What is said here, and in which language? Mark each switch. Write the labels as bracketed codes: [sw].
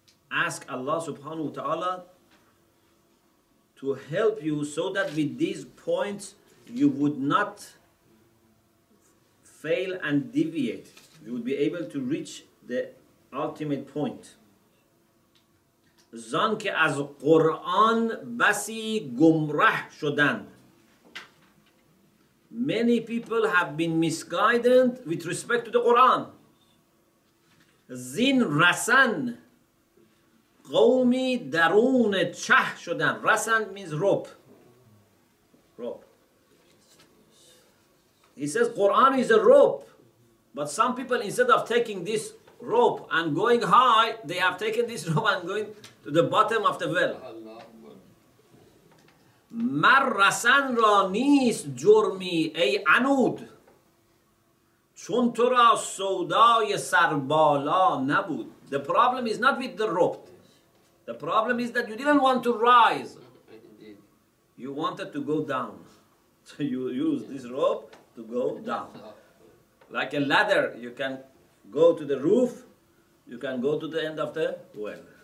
[en] Ask Allah subhanahu wa ta'ala to help you so that with these points you would not fail and deviate. You would be able to reach the ultimate point. [fa] زان که از قرآن بسی گمره شدند. [en] Many people have been misguided with respect to the Quran. [fa] زین رسن قومی درون چه شدند. [en] رسن means rope. He says Quran is a rope, but some people, instead of taking this rope and going high, they have taken this rope and going to the bottom of the well. [fa] مر رسن را نیست جرمی ای عنود چون تو را سودای سربالا نبود. [en] The problem is not with the rope. The problem is that you didn't want to rise. You wanted to go down. So you use this rope to go down. Like a ladder, you can go to the roof, you can go to the end of the well.